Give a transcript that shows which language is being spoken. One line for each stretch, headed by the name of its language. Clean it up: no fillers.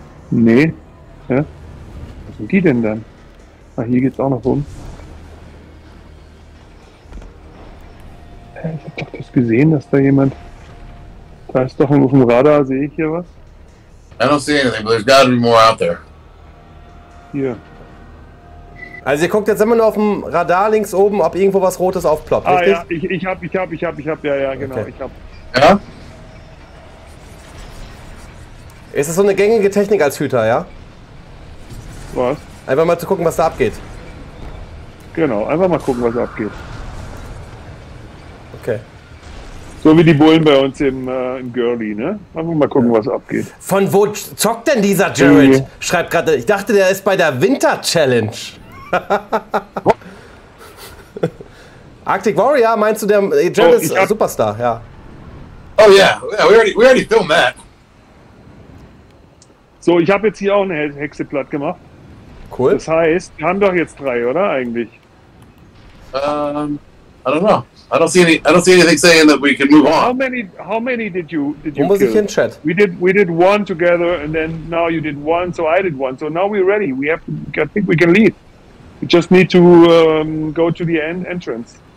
German: Nee. Ja. Was sind die denn dann? Ah, hier geht's auch noch rum. Ich hab doch das gesehen, dass da jemand... Da ist doch auf dem Radar, sehe ich hier was?
English: I don't see anything, but there's gotta be more out there.
German: Hier. Also ihr guckt jetzt immer nur auf dem Radar links oben, ob irgendwo was Rotes aufploppt, richtig? Ah ja, ich hab, ja, genau, okay. Ich hab. Ja? Ist das so eine gängige Technik als Hüter, ja? Was? Einfach mal zu gucken, was da abgeht. Genau, einfach mal gucken, was da abgeht. Okay. So wie die Bullen bei uns im Girlie, ne? Einfach mal gucken, was abgeht. Von wo zockt denn dieser Jared? Schreibt gerade, ich dachte, der ist bei der Winter Challenge. Arctic Warrior, meinst du, der Jared ist Superstar, ja.
English: Oh yeah, we already filmed that.
German: So, ich habe jetzt hier auch eine Hexe platt gemacht. Cool. Das heißt, wir haben doch jetzt drei, oder eigentlich?
English: I don't know. I don't see anything saying that we can move on. How many did you
German: kill? Wo muss ich in Chat?
English: We did one together and then now you did one, so I did one. So now we're ready. I think we can leave. We just need to go to the end entrance.